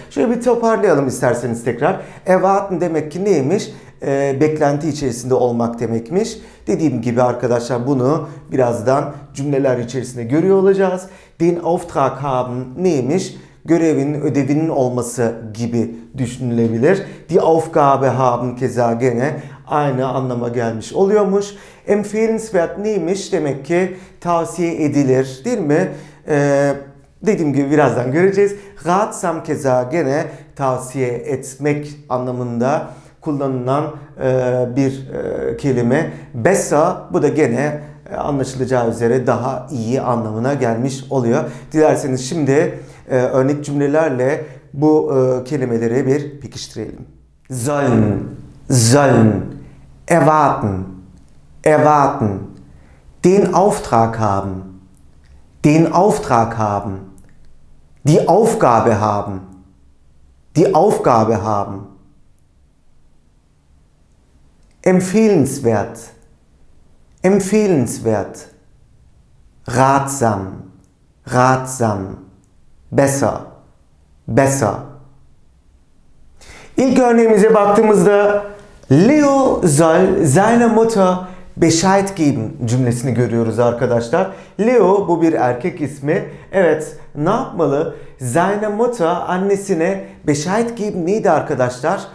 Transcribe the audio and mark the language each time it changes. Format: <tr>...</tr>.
<tr>Şöyle bir toparlayalım isterseniz tekrar. Erwarten demek ki neymiş? Beklenti içerisinde olmak demekmiş. Dediğim gibi arkadaşlar bunu birazdan cümleler içerisinde görüyor olacağız.</tr> <de>Den Auftrag haben</de> <tr>neymiş? Görevin, ödevinin olması gibi düşünülebilir.</tr> <de>Die Aufgabe haben</de> <tr>keza gene aynı anlama gelmiş oluyormuş. Empfehlenswert neymiş? Demek ki tavsiye edilir değil mi? Dediğim gibi birazdan göreceğiz. Ratsam keza gene tavsiye etmek anlamında kullanılan bir kelime. Besser, bu da gene anlaşılacağı üzere daha iyi anlamına gelmiş oluyor. Dilerseniz şimdi örnek cümlelerle bu kelimeleri bir pekiştirelim.</tr> <de>Sollen, sollen, erwarten, erwarten, den Auftrag haben, den Auftrag haben, die Aufgabe haben, die Aufgabe haben. Empfehlenswert, empfehlenswert, ratsam, ratsam, besser, besser.</de> <tr>İlk örneğimize baktığımızda</tr> <de>Leo soll seiner Mutter Bescheid geben</de> <tr>cümlesini görüyoruz arkadaşlar. Leo, bu bir erkek ismi. Evet, ne yapmalı?</tr> <de>Seine Mutter,</de> <tr>annesine</tr> <de>Bescheid geben</de> <tr>neydi arkadaşlar?</tr>